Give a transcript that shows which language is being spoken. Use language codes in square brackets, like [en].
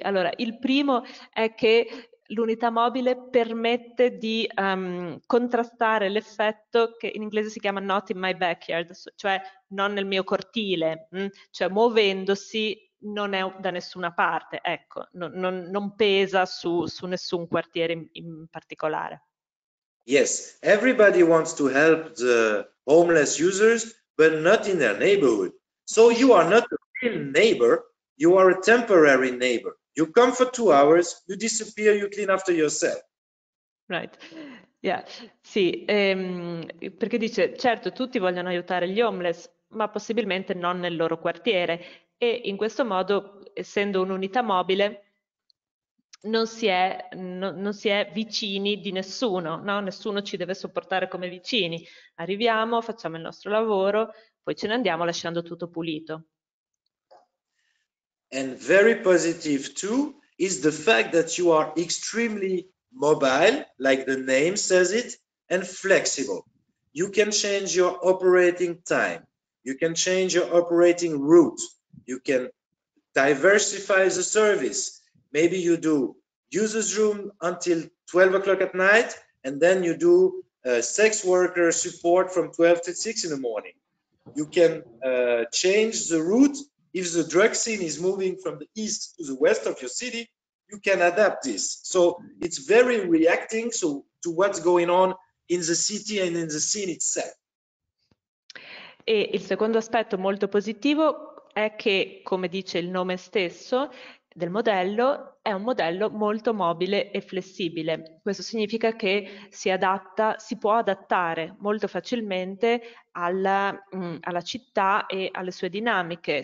[it] Allora, il primo è che l'unità mobile permette di contrastare l'effetto che in inglese si chiama [en] not in my backyard, [it] cioè non nel mio cortile, cioè muovendosi non è da nessuna parte, ecco, non pesa su nessun quartiere in particolare. [en] Yes, everybody wants to help the homeless users, but not in their neighborhood. So you are not a real neighbor, you are a temporary neighbor. You come for 2 hours, you disappear, you clean after yourself. Right, yeah, [it] sì, perché dice, certo, tutti vogliono aiutare gli homeless, ma possibilmente non nel loro quartiere. E in questo modo, essendo un'unità mobile, non si è vicini di nessuno, no? Nessuno ci deve sopportare come vicini. Arriviamo, facciamo il nostro lavoro, poi ce ne andiamo lasciando tutto pulito. [en] And very positive too is the fact that you are extremely mobile, like the name says it, and flexible. You can change your operating time, you can change your operating route, you can diversify the service. Maybe you do users room until 12 o'clock at night, and then you do sex worker support from 12 to 6 in the morning. You can change the route. If the drug scene is moving from the east to the west of your city, you can adapt this. So it's very reacting to what's going on in the city and in the scene itself. [it] E il secondo aspetto molto positivo è che, come dice il nome stesso, del modello è un modello molto mobile e flessibile. Questo significa che si può adattare molto facilmente alla città e alle sue dinamiche.